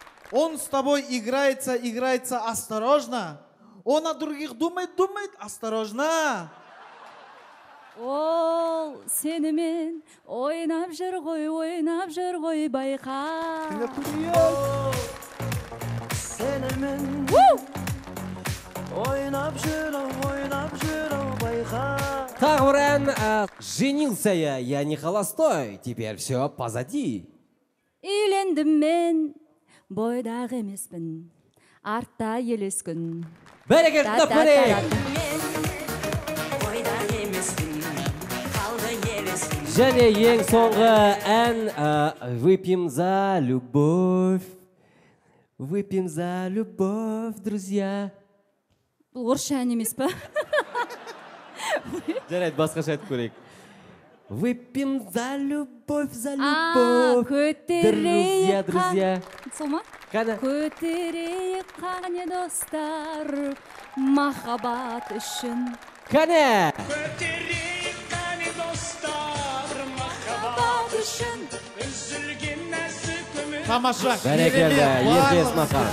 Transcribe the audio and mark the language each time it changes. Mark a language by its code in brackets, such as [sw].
[ru] Он с тобой играется, играется осторожно. Он о других думает, думает осторожно. [kk] Ол сенімен ойнап жүр ғой, ойнап жүр ғой байқа. Тыңдап көрейік. Сенімен ойнап жүр, ойнап жүр байқа. Тағы бір ән. [ru] Женился я не холостой, теперь все позади. [kk] Үйлендім мен, бойдағы емеспін, артта елес күн. Бәрекелді, тыңдап көрейік. Және ең соңғы ән, [ru] выпьем за любовь, выпьем за любовь, друзья. [kk] Бұл орысша ән емес па? Жарайды, басқаша айтып көрейік. [ru] Выпьем за любовь, за любовь, друзья, друзья. [kk] Сол ма? Қана? Көтерейік қане достар, махаббат үшін. Қане? Көтерейік қане достар, махаббат үшін. Үзілген нәсі көмір. Тамаша, келеді, ерке есмақан.